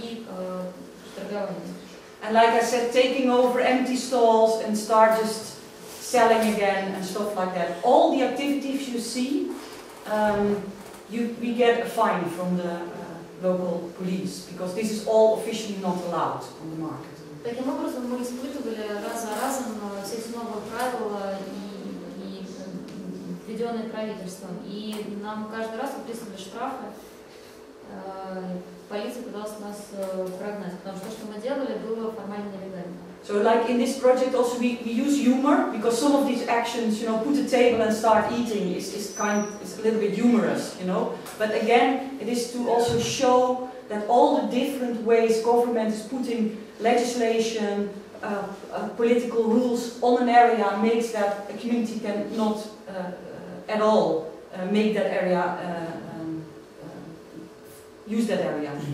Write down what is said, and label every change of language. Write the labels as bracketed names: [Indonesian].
[English] And like I said, taking over empty stalls and start just selling again and stuff like that. All the activities you see, we get a fine from the local police because this is all officially not allowed on the market. [Russian] Таким образом, мы испытывали раз за разом все новые правила и введенные правительством. И нам каждый раз выписывали штрафы. Полиция пыталась нас прогнать, потому что то, что мы делали, было формально нелегально. [English] So like in this project also we use humor because some of these actions, you know, put a table and start eating is a little bit humorous, you know. But again, it is to also show that all the different ways government is putting legislation, political rules on an area makes that a community cannot at all make that area use that area.